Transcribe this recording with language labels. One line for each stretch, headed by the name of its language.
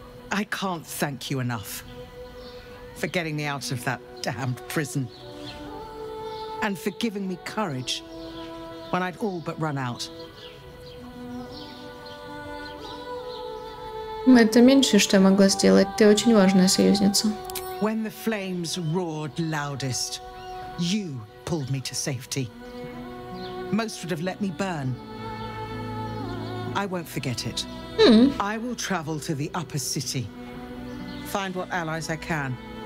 English: I can't thank you enough for getting me out of that damned prison and for giving me courage when I'd all but run out.
Russian: Это меньше, что я могла сделать. Ты очень важная союзница.
English: When the flames roared loudest, you pulled me to safety. Most would have let me burn. I won't forget it. I will travel to the upper city. Find what allies I can.